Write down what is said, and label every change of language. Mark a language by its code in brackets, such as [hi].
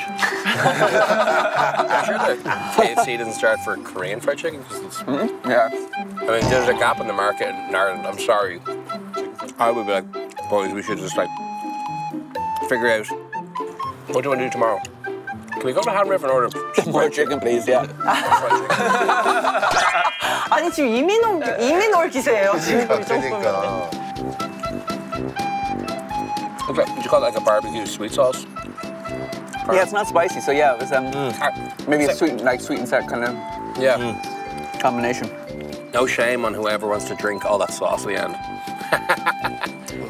[en] I'm sure that KFC doesn't start for Korean fried chicken, because it's... Mm-hmm. Yeah. I mean, there's a gap in the market in Ireland. I'm sorry. I would be like, boys, we should just, like, figure out, what do I do tomorrow? Can we go to Hand River and order fried chicken, please, yeah. Fried chicken. [ko] 아니, 지금 이미 넣을 기세예요, 지금. [en] Would you call it like a barbecue sweet sauce? Yeah, it's not spicy, so yeah, it was maybe sick. A sweet, like sweet and sour kind of combination. No shame on whoever wants to drink all that sauce at the end.